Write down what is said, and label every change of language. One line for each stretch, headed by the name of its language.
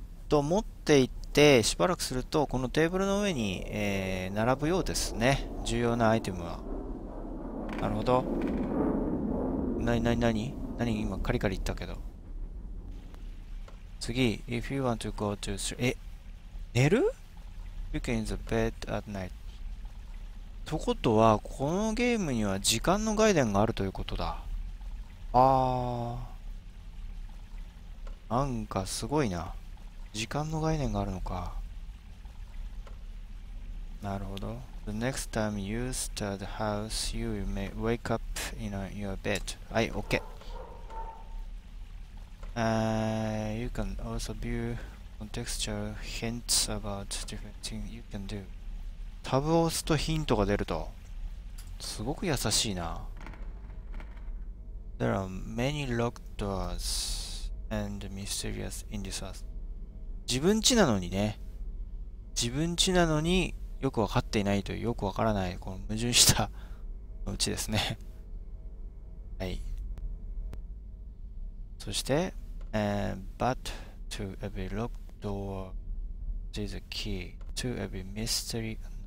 Japanese: 持っていってしばらくするとこのテーブルの上に、並ぶようですね。重要なアイテムは。なるほど。何今カリカリ言ったけど。
English: 次、If you want to go to sleep. 寝る？You can in the bed at night.
Japanese: とことは、このゲームには時間の概念があるということだ。あー。なんかすごいな。時間の概念があるのか。なるほど。
English: The next time you start the house, you may wake up in your bed.
Japanese: はい、OK。
English: You can also view contextual hints about different things you can do.
Japanese: タブを押すとヒントが出ると。すごく優しいな。
English: There are many locked doors and mysterious in this house.
Japanese: 自分家なのにね。自分家なのに、よくわかっていないという、よくわからない、この矛盾したうちですね。はい。そして、
English: But to every locked door, there's a key to every mystery.